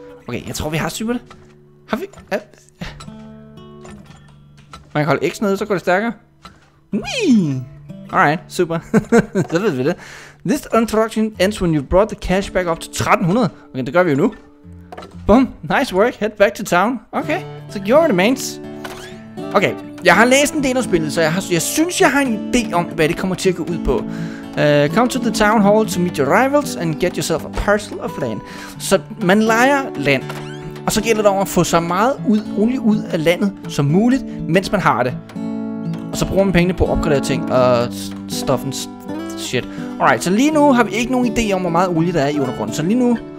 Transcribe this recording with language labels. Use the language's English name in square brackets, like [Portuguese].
[Danish] Okay, jeg tror, vi har super det. Har vi... Man kan holde X nede, så går det stærkere. Wee! Alright, super. Så ved vi det. [English] This introduction ends when you've brought the cash back up to 1300. [Danish] Okay, det gør vi jo nu. [English] Boom, nice work, head back to town. Okay, so you're the mains. [Danish] Okay, jeg har læst en del af spillet, så jeg synes, jeg har en idé om, hvad det kommer til at gå ud på. [English] Come to the town hall to meet your rivals and get yourself a parcel of land. [Danish] Så man leger land, og så gælder det om at få så meget olie ud af landet som muligt, mens man har det. Og så bruger man pengene på at opgradere ting og [English] stuff and shit. [Danish] Alright, så lige nu har vi ikke nogen idé om, hvor meget olie der er i undergrunden. Så lige nu...